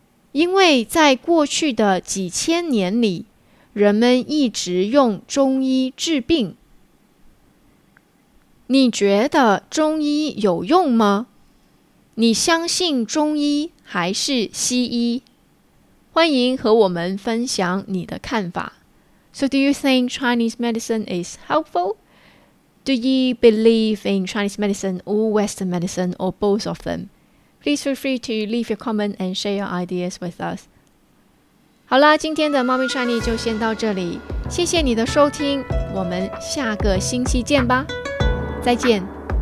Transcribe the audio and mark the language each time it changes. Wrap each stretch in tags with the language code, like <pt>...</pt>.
<zh>因为在过去的几千年里，人们一直用中医治病。你觉得中医有用吗？你相信中医还是西医？欢迎和我们分享你的看法。</zh> <en>So do you think Chinese medicine is helpful? Do you believe in Chinese medicine or Western medicine or both of them? Please feel free to leave your comment and share your ideas with us.</en> <zh>好啦，今天的猫咪 Chinese 就先到这里，谢谢你的收听，我们下个星期见吧，再见。</zh>